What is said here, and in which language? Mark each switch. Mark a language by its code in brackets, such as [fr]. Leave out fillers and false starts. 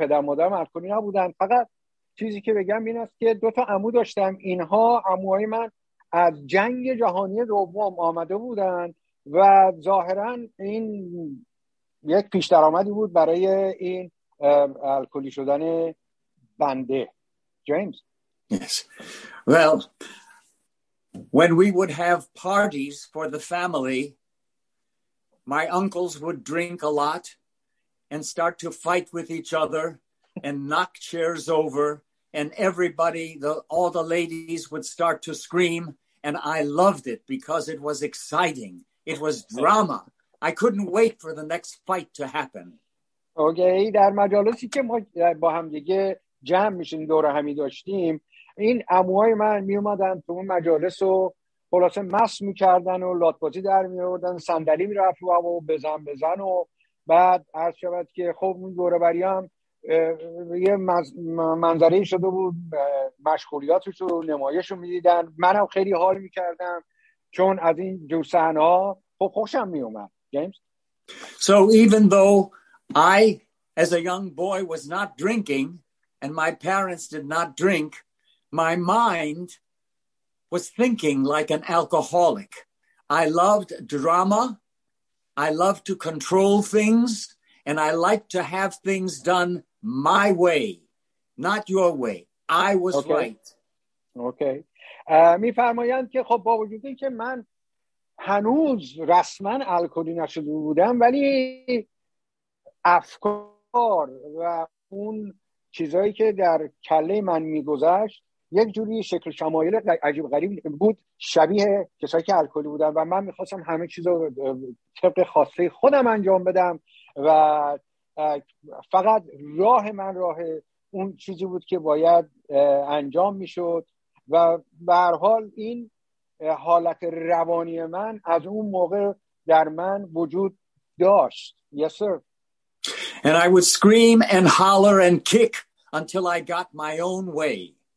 [fa] پدر مادرم الکلی نبودن. فقط چیزی که بگم این است که دوتا عمو داشتم. اینها عموهای من از جنگ جهانی دوم آمده بودند و ظاهرا این یک پیش درآمدی بود برای این الکلی شدن بنده. جیمز. [en] Yes. Well, when we would have parties for the family, my uncles would drink a lot and start to fight with each other and knock chairs over, and everybody, all the ladies would start to scream, and I loved it because it was exciting. It was drama. I couldn't wait for the next fight to happen. [fa] Okay, در مجالسی که ما با هم دیگه جمع میشیم دور همی داشتیم، این عموهای من می اومدن تو اون مجالس و خلاصه مست میکردن و لاتبازی در می آوردن، صندلی می رفت و بزن و بعد عرض شود که خب اون دوره بریام یه منظره شده بود، مشغولیاتش رو نمایش رو می دیدن. منم خیلی حال میکردم چون از این جور صحنه ها خوشم می اومد. جیمز. [en] So even though I as a young boy was not drinking and my parents did not drink, my mind was thinking like an alcoholic. I loved drama. I love to control things and I like to have things done my way, not your way. I was okay. Right. Okay. [fa] می فرمایند که خب با وجود این که من هنوز رسماً الکلی نشده بودم ولی افکار و اون چیزایی که در کله من میگذشت یک جوری شکل شمایل عجیب غریب بود شبیه کسایی که الکلی بودن و من میخواستم همه چیز رو طبق خواسته خودم انجام بدم و فقط راه من راه اون چیزی بود که باید انجام میشد و به هر حال این حالت روانی من از اون موقع در من وجود داشت. [en] Yes, sir. And I would scream and holler and kick until I got my own way.